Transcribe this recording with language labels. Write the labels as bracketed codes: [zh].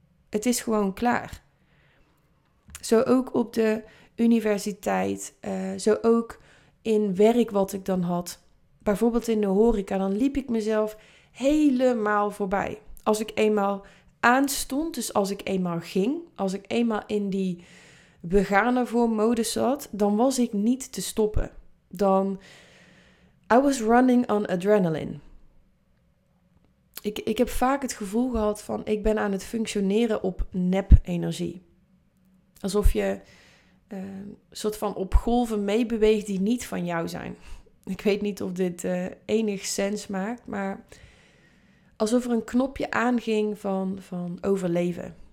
[nl] Het is gewoon klaar. Zo ook op de universiteit, zo ook in werk wat ik dan had. Bijvoorbeeld in de horeca, dan liep ik mezelf helemaal voorbij. Als ik eenmaal aanstond, dus als ik eenmaal ging, als ik eenmaal in die we gaan ervoor mode zat, dan was ik niet te stoppen. [en] Dan, I was running on adrenaline. [nl] Ik heb vaak het gevoel gehad van, ik ben aan het functioneren op nep-energie. Alsof je soort van op golven meebeweegt die niet van jou zijn. Ik weet niet of dit enig sens maakt, maar alsof er een knopje aanging van overleven.